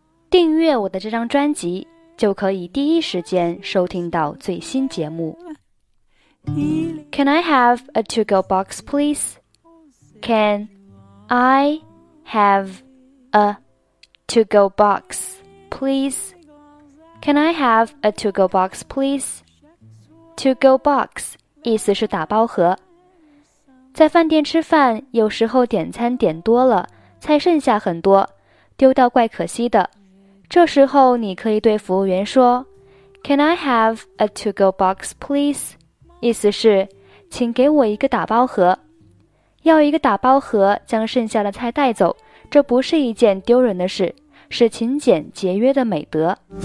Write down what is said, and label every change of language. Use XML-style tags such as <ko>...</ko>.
<zh>订阅我的这张专辑，就可以第一时间收听到最新节目。</zh> <en>Can I have a to-go box, please? Can I have a to-go box, please? Can I have a to-go box, please?</en> <zh>To-go box 意思是打包盒。在饭店吃饭，有时候点餐点多了，菜剩下很多，丢掉怪可惜的。这时候你可以对服务员说</zh> <en>Can I have a to-go box, please?</en> <zh>意思是请给我一个打包盒。要一个打包盒将剩下的菜带走，这不是一件丢人的事，是勤俭节约的美德。</zh>